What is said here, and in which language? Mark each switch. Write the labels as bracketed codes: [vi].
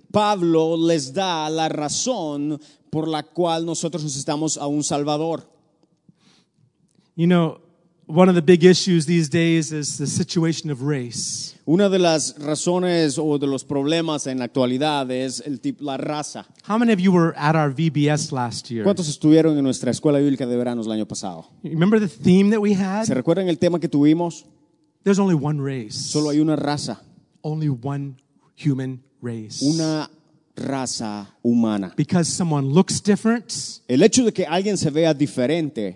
[es] Pablo les da la razón por la cual nosotros necesitamos a un salvador. [en] You know, one of the big issues these days is the situation of race. [es] Una de las razones o de los problemas en la actualidad es el tipo, la raza. [en] How many of you were at our VBS last year? [es] ¿Cuántos estuvieron en nuestra escuela bíblica de veranos el año pasado? [en] Remember the theme that we had? [es] ¿Se recuerdan el tema que tuvimos? [en] There's only one race. [es] Solo hay una raza. [en] Only one human race. [es] Una raza humana. [en] Because someone looks different. [es] El hecho de que alguien se vea diferente.